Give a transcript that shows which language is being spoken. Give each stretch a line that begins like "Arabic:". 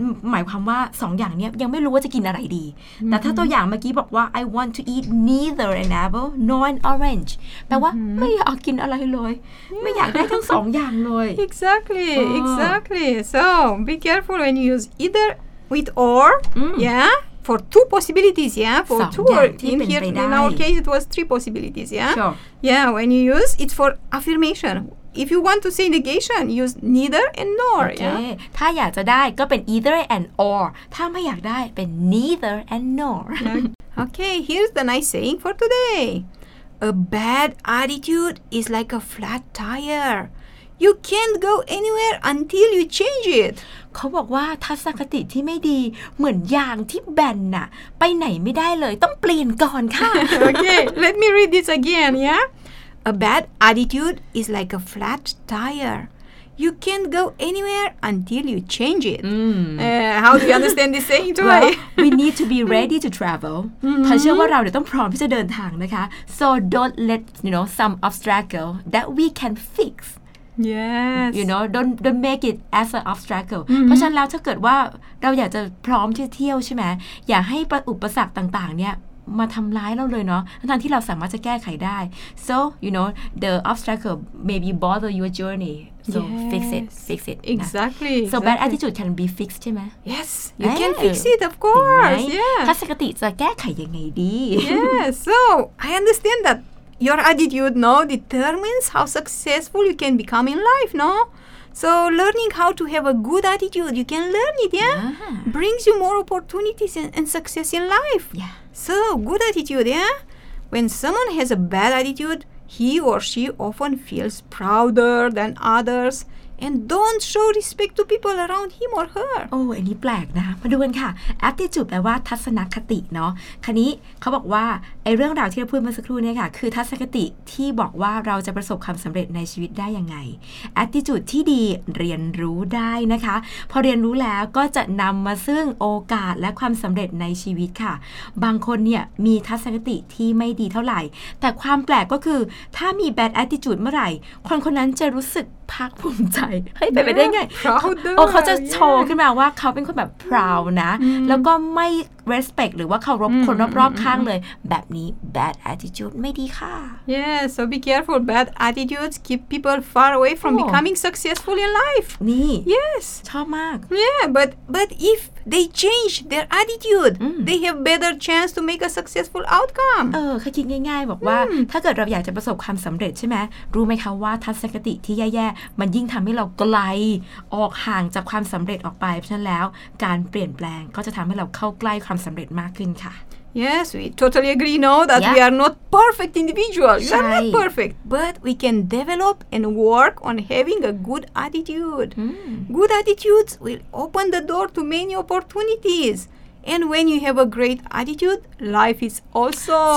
Thai: หมายความว่า2 อย่างเนี้ยยังไม่รู้ว่าจะกินอะไรดี mm-hmm. แต่ถ้าตัวอย่างเมื่อกี้บอกว่า
English: I want to eat neither an apple nor an orange
Thai: mm-hmm. แปลว่าไม่อยากกินอะไรเลย yeah. ไม่อยากได้ทั้ง 2 อย่างเลย
English: Exactly So be careful when you use either with or yeah for two possibilities for two or in our case it was three possibilities sure. yeah when you use it's for affirmationIf you want to say negation, use neither and nor. Okay. Yeah?
Thai: ถ้าอยากจะได้ก็เป็น either and or. ถ้าไม่อยากได้เป็น neither and nor.
English: Okay. Here's the nice saying for today. A bad attitude is like a flat tire. You can't go anywhere until you change it.
Thai: เขาบอกว่าทัศนคติที่ไม่ดีเหมือนยางที่แบนน่ะไปไหนไม่ได้เลยต้องเปลี่ยนก่อนค่ะ
English: Okay. Let me read this again. Yeah. A bad attitude is like a flat tire. You can't go anywhere until you change it. Mm. How do you understand this saying, Toy? Well, we need to be ready to travel.
Thai: ถ้าเชื่อว่าเราต้องพร้อมที่จะเดินทางนะคะ
English: So don't let you know some obstacle that we can fix. Yes. You know, don't make it as an obstacle.
Thai: เพราะฉะนั้นแล้วถ้าเกิดว่าเราอยากจะพร้อมที่จะเที่ยวใช่ไหมอย่าให้อุปสรรคต่างๆเนี่ยมาทำร้ายเราเลยเนาะทั้งที่เราสามารถจะแก้ไขได้
English: so you know the obstacle maybe bother your journey so yes. fix it exactly so bad attitude can be fixed
Thai: ใช่ไหม
English: yes you can fix it of course yeah
Thai: ทัศนคติจะแก้ไขยังไงดี
English: yes so I understand that your attitude no determines how successful you can become in life no so learning how to have a good attitude you can learn it yeah brings you more opportunities and success in life yeah So, good attitude, yeah? When someone has a bad attitude, he or she often feels prouder than others and don't show respect to people around him or her.
Thai: Oh, อันนี้แปลกนะมาดูกันค่ะ Attitude แปลว่าทัศนคติเนาะคราวนี้เขาบอกว่าไอ้เรื่องราวที่เราพูดมาสักครู่เนี่ยค่ะคือทัศนคติที่บอกว่าเราจะประสบความสำเร็จในชีวิตได้ยังไง Attitude ที่ดีเรียนรู้ได้นะคะพอเรียนรู้แล้วก็จะนำมาซึ่งโอกาสและความสำเร็จในชีวิตค่ะบางคนเนี่ยมีทัศนคติที่ไม่ดีเท่าไหร่แต่ความแปลกก็คือถ้ามี bad attitude เมื่อไหร่คนคนนั้นจะรู้สึกภาคภูมิใจให้ไปได้ไงโอ้เขาจะโชว์ขึ้นมาว่าเขาเป็นคนแบบ proud นะแล้วก็ไม่respect หรือว่าเคารพคนรอบๆข้างเลยแบบนี้ bad attitude ไม่ดีค่ะ
English: yes so be careful bad attitudes keep people far away from becoming successful in life นี่ yes
Thai: ชอบมาก
English: yeah but if they change their attitude they have better chance to make a successful outcome
Thai: เออเขาคิดง่ายๆบอกว่าถ้าเกิดเราอยากจะประสบความสำเร็จใช่ไหมรู้ไหมคะว่าทัศนคติที่แย่ๆมันยิ่งทำให้เราไกลออกห่างจากความสำเร็จออกไปเพราะฉะนั้นแล้วการเปลี่ยนแปลงก็จะทำให้เราเข้าใกล้ความสำเร็จมากขึ้นค่ะ
English: Yes, we totally agree now that we are not perfect individuals. We are not perfect, but we can develop and work on having a good attitude. Good attitudes will open the door to many opportunities. And when you have a great attitude, life is awesome.